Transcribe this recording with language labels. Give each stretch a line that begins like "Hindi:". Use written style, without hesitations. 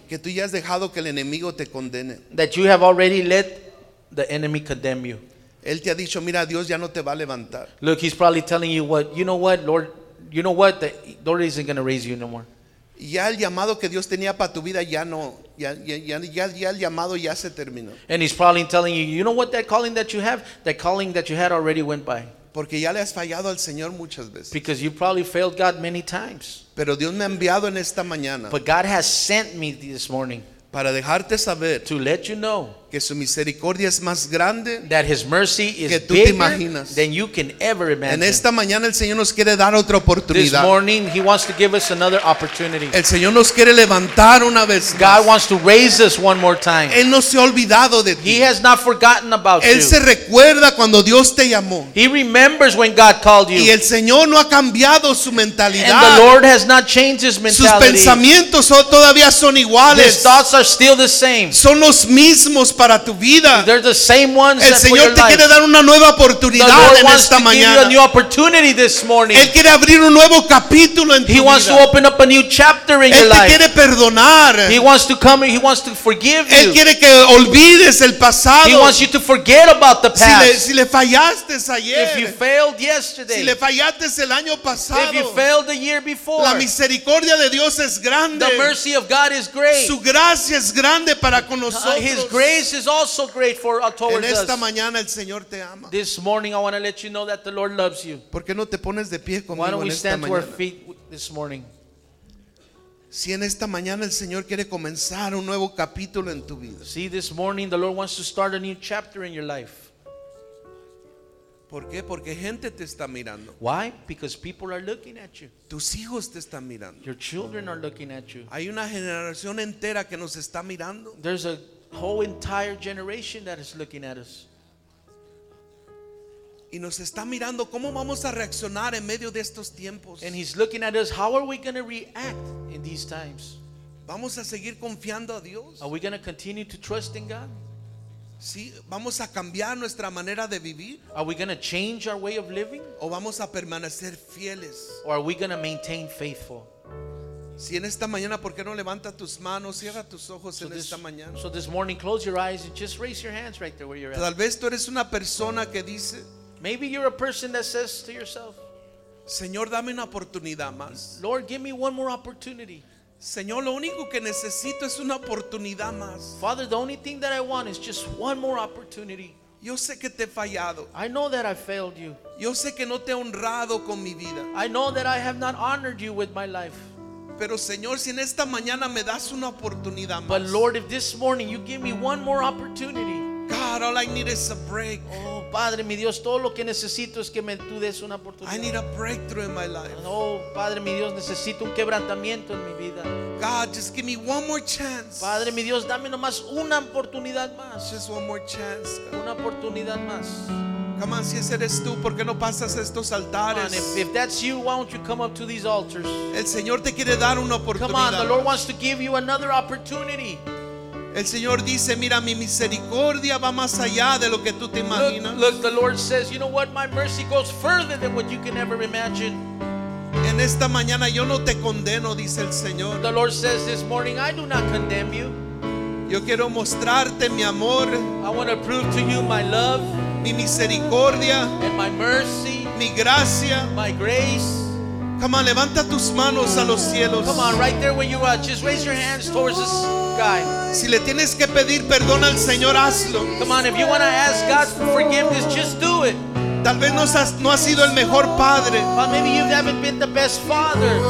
Spanish: Que tú ya has dejado que el enemigo te condene.
English: That you have already let the enemy condemn you.
Spanish: Él te ha dicho, mira, Dios ya no te va a levantar.
English: Look, he's probably telling you what, you know what, Lord, you know what, the Lord isn't going to raise you no more.
Spanish: Ya el llamado que Dios tenía para tu vida ya no, ya el llamado ya se terminó.
English: And he's probably telling you, you know what, that calling that you have, that calling that you had already went by.
Spanish: Porque ya le has fallado al Señor muchas veces.
English: Because you probably failed God many times.
Spanish: Pero Dios me ha enviado en esta mañana.
English: But God has sent me this morning.
Spanish: Para dejarte saber.
English: To let you know.
Spanish: Que su misericordia es más grande.
English: That his mercy is
Spanish: que tú
English: bigger
Spanish: te imaginas.
English: Than you can ever imagine.
Spanish: En esta mañana el Señor nos quiere dar otra oportunidad.
English: This morning he wants to give us another opportunity.
Spanish: El Señor nos quiere levantar una vez más.
English: God wants to raise us one more time.
Spanish: Él no se ha olvidado de ti.
English: He has not forgotten about
Spanish: Él
English: you.
Spanish: Se recuerda cuando Dios te llamó.
English: He remembers when God called you.
Spanish: Y el Señor no ha cambiado su mentalidad.
English: And the Lord has not changed his mentality.
Spanish: Sus pensamientos todavía son iguales.
English: His thoughts are still the same.
Spanish: Son los mismos para tu vida.
English: They're the same ones.
Spanish: El Señor te quiere dar una nueva oportunidad en esta mañana.
English: The Lord wants to give you a new opportunity this morning.
Spanish: Él quiere abrir un nuevo capítulo en tu vida.
English: He wants to open up a new chapter in your life.
Spanish: Él te quiere perdonar.
English: He wants to come and he wants to forgive you.
Spanish: Él quiere que olvides el pasado.
English: He wants you to forget about the past.
Spanish: Si le fallaste ayer.
English: If you failed yesterday.
Spanish: Si le fallaste el año pasado.
English: If you failed the year before.
Spanish: La misericordia de Dios es grande.
English: The mercy of God is great.
Spanish: Su gracia es grande para con nosotros.
English: His grace is also great for towards
Spanish: en esta
English: us.
Spanish: Mañana el Señor te ama.
English: This morning I want to let you know that the Lord loves you.
Spanish: ¿Por qué no te pones de pie conmigo?
English: Why don't we
Spanish: en esta
English: stand
Spanish: mañana?
English: To our feet this morning?
Spanish: Si en esta mañana el Señor quiere comenzar un nuevo capítulo en tu vida.
English: See, this morning the Lord wants to start a new chapter in your life.
Spanish: ¿Por qué? Porque gente te está mirando.
English: Why? Because people are looking at you.
Spanish: Tus hijos te están mirando.
English: Your children are looking at you.
Spanish: Hay una generación entera que nos está mirando.
English: There's a whole entire generation that is looking at us.
Spanish: Y nos está mirando cómo vamos a reaccionar en medio de estos tiempos.
English: And he's looking at us, how are we going to react in these times?
Spanish: ¿Vamos a seguir confiando a Dios?
English: Are we going to continue to trust in God?
Spanish: ¿Sí? ¿Vamos a cambiar nuestra manera de vivir?
English: Are we going to change our way of living?
Spanish: ¿O vamos a permanecer fieles?
English: Or are we going to maintain faithful?
Spanish: Si en esta mañana, ¿por qué no levanta tus manos? Cierra tus ojos en esta mañana.
English: So this morning, close your eyes and just raise your hands right there where you're at.
Spanish: Tal vez tú eres una persona que dice,
English: maybe you're a person that says to yourself,
Spanish: Señor, dame una oportunidad más.
English: Lord, give me one more opportunity.
Spanish: Señor, lo único que necesito es una oportunidad más.
English: Father, the only thing that I want is just one more opportunity.
Spanish: Yo sé que te he fallado.
English: I know that I failed you.
Spanish: Yo sé que no te he honrado con mi vida.
English: I know that I have not honored you with my life.
Spanish: Pero Señor, si en esta mañana me das una oportunidad más.
English: But Lord, if this morning you give me one more opportunity. God, all I need is a break.
Spanish: Oh, Padre, mi Dios, todo lo que necesito es que tú des una oportunidad.
English: I need a breakthrough in my life.
Spanish: Oh, Padre, mi Dios, necesito un quebrantamiento en mi vida.
English: God, just give me one more chance.
Spanish: Padre, mi Dios, dame nomás una oportunidad más.
English: Just one more chance, God.
Spanish: Una oportunidad más.
English: Come on,
Spanish: si ese eres tú, ¿por qué no pasas estos altares?
English: Come on, if that's you, why don't you come up to these altars?
Spanish: El Señor te quiere dar una oportunidad.
English: Come on, the Lord wants to give you another opportunity.
Spanish: El Señor dice, mira, mi misericordia va más allá de lo que tú te imaginas.
English: Look, the Lord says, you know what? My mercy goes further than what you can ever imagine.
Spanish: En esta mañana yo no te condeno, dice el Señor.
English: The Lord says this morning, I do not condemn you.
Spanish: Yo quiero mostrarte mi amor.
English: I want to prove to you my love.
Spanish: Mi misericordia.
English: And my mercy.
Spanish: Mi gracia.
English: My grace. Come on,
Spanish: levanta tus manos a los cielos.
English: Come on, right there where you are, just raise your hands towards this guy.
Spanish: Si le tienes que pedir perdón al Señor, hazlo.
English: Come on, if you want to ask God for forgiveness, just do it.
Spanish: Tal vez no has sido el mejor padre.
English: But maybe you haven't been the best father.